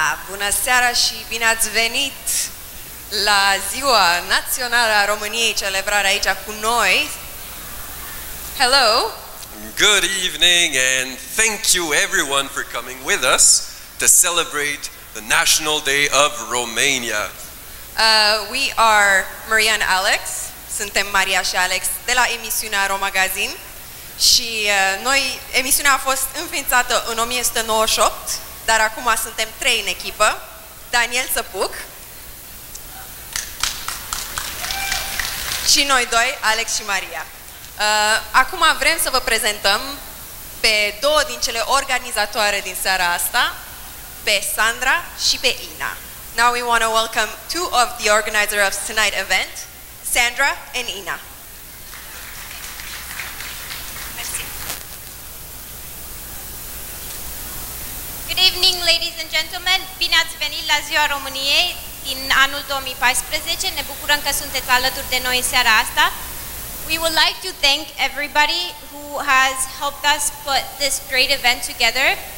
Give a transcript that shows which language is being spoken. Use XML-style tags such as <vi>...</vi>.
<ro>Ați venit la Ziua Națională a României, celebrată aici cu noi.</ro> <en>Hello. Good evening and thank you everyone for coming with us to celebrate the National Day of Romania. We are Maria and Alex.</en> <ro>Suntem Maria și Alex de la emisiunea Romagazin. Și noi, emisiunea a fost înființată în 1998, dar acum suntem trei în echipă. Daniel Săpuc și noi doi, Alex și Maria. Acum vrem să vă prezentăm pe două din cele organizatoare din seara asta, pe Sandra și pe Ina.</ro> <en>Now we want to welcome two of the organizers of tonight's event, Sandra and Ina. Good evening, ladies and gentlemen.</en> <ro>Bine ați venit la Ziua României din anul 2014. Ne bucurăm că sunteți alături de noi în seara asta.</ro> <en>We would like to thank everybody who has helped us put this great event together.</en>